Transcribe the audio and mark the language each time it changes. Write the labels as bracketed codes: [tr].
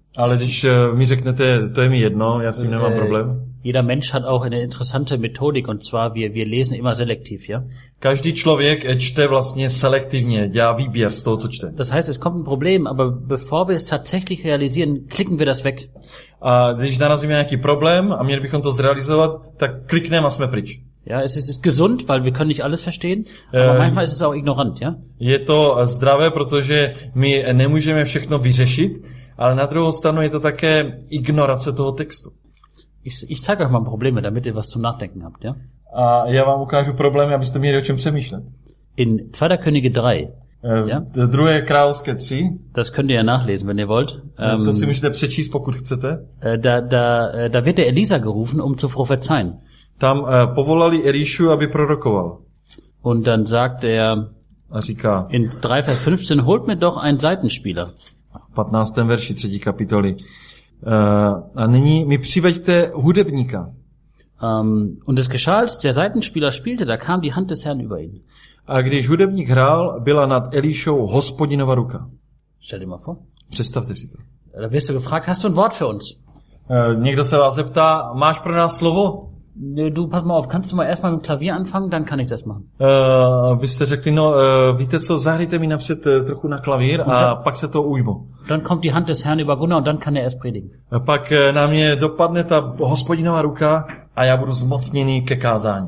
[cs] Ale když mi řeknete, to je mi jedno, já s tím nemám problém. [de] Jeder Mensch hat auch eine interessante Methodik, und zwar wir lesen immer selektiv, ja? [cs] Každý člověk čte vlastně selektivně, dělá výběr z toho, co čte. [de] Das heißt, es kommt ein Problem, aber bevor wir es tatsächlich realisieren, klicken wir das weg. [cs] A když narazíme nějaký problém a měli bychom to zrealizovat, tak klikneme a jsme pryč. [de] Ja, es ist gesund, weil wir können nicht alles verstehen, aber manchmal ist es auch ignorant, ja? [cs] Je to zdravé, protože my nemůžeme všechno vyřešit, ale na druhou stranu je to také ignorace toho textu. [de] Ich zeige euch mal Probleme, damit ihr was zum Nachdenken habt, ja? [cs] A já vám ukážu problémy, abyste měli o čem přemýšlet. [de] In 2. Könige 3. [cs] Druhé královské 3. [de] Das könnt ihr ja nachlesen, wenn ihr wollt. [cs] To si můžete přečíst, pokud chcete. [de] Da wird der Elisa gerufen, um zu prophezeien. [cs] Tam povolali Elišu, aby prorokoval. [de] Und dann sagt er, [cs] a říká, [de] in 3, Vers 15, holt mir doch einen Seitenspieler. [cs] 15. verši 3. kapitoly. A nyní mi přiveďte hudebníka. [de] Und es geschah, als der Seitenspieler spielte, da kam die Hand des Herrn über ihn. [cs] A když hudebník hrál, byla nad Elišou Hospodinova ruka. [de] Stell dir mal vor. [cs] Představte si to. [de] Da wirst du gefragt, hast du ein Wort für uns? [cs] Někdo se vás zeptá, máš pro nás slovo? [de] Du, pass mal auf, kannst du mal erstmal mit dem Klavier anfangen, dann kann ich das machen. [cs] Byste řekli, no, víte co, zahrajte mi napřed trochu na klavír a pak se to ujmu. [de] Dann kommt die Hand des Herrn über Gunnar und dann kann er erst predigen. [cs] Pak na mě dopadne ta Hospodinova ruka a já budu zmocněný ke kázání.